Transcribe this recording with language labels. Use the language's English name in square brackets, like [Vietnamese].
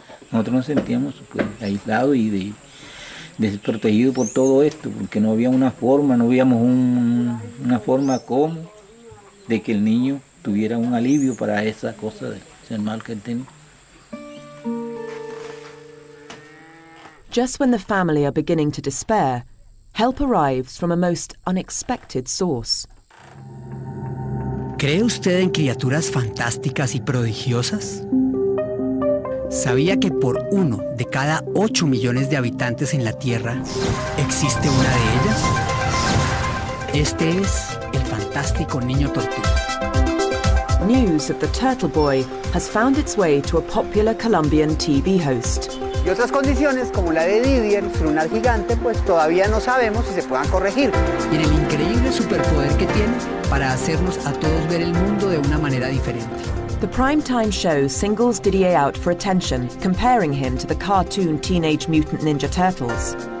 [Spanish] Nosotros nos sentíamos pues, aislados y desprotegidos por todo esto, porque no había una forma, no habíamos una forma como de que el niño tuviera un alivio para esa cosa de ser mal que él tenía. [English] Just when the family are beginning to despair, help arrives from a most unexpected source. [Spanish] ¿Cree usted en criaturas fantásticas y prodigiosas? ¿Sabía que por 1 de cada 8 millones de habitantes en la Tierra existe una de ellas? Este es el fantástico niño tortuga. [English] News of the turtle boy has found its way to a popular Colombian TV host. [Spanish] Y otras condiciones, como la de Didier, ser un gigante, pues todavía no sabemos si se puedan corregir. Y en el increíble superpoder que tiene para hacernos a todos ver el mundo de una manera diferente. [English] The primetime show singles Didier out for attention, comparing him to the cartoon Teenage Mutant Ninja Turtles.